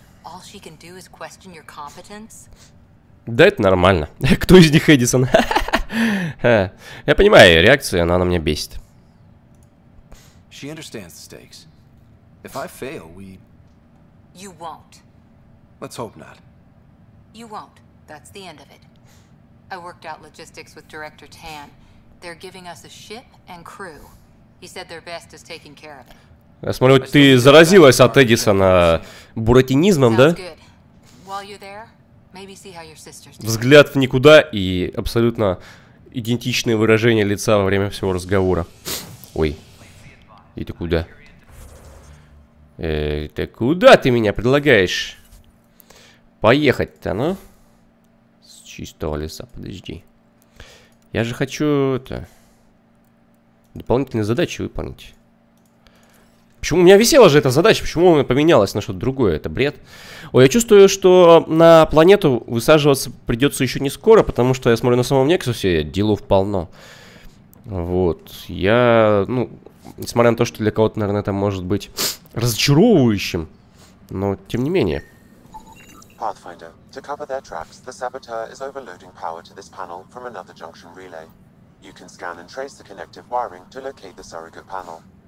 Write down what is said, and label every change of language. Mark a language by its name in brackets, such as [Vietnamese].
[English] All she can do is question your competence? [Russian] Да это нормально. Кто из них Эдисон? Я понимаю, реакция, она на меня бесит. [English] She understands the stakes. If I fail, we... You won't. Let's hope not. You won't. That's the end of it. I worked out logistics with Director Tan. They're giving us a ship and crew. He said their best is taking care of it. [Russian] Я смотрю, ты заразилась от Эдисона буратинизмом, да? [English] While you're there, maybe see how your sister's doing. [Russian] Взгляд в никуда и абсолютно идентичные выражения лица во время всего разговора. Ой. И ты куда? Ты куда ты меня предлагаешь? Поехать-то, ну? С чистого леса, подожди. Я же хочу это... дополнительные задачи выполнить. Почему у меня висела же эта задача? Почему она поменялась на что-то другое? Это бред. Ой, я чувствую, что на планету высаживаться придется еще не скоро, потому что я смотрю на самом Нексусе, делов полно. Вот. Я, ну... несмотря на то, что для кого-то, наверное, это может быть разочаровывающим, но тем не менее. [English] Pathfinder, to cover their tracks, the saboteur is overloading power to this panel from another junction relay. You can scan and trace the connective wiring to locate the surrogate panel.